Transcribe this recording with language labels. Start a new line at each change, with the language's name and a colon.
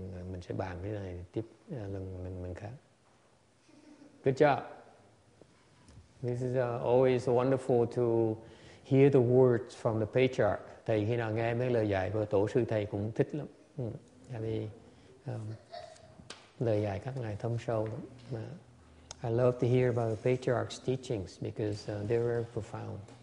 Vietnamese: Mình sẽ bàn cái này tiếp lần khác.
English: Good job. This is always wonderful to hear the words from the patriarch.
Vietnamese: Thầy khi nào nghe mấy lời dạy của tổ sư thầy cũng thích lắm. Tại vì lời dạy các ngài thâm sâu lắm.
English: I love to hear about the patriarch's teachings because they're very profound.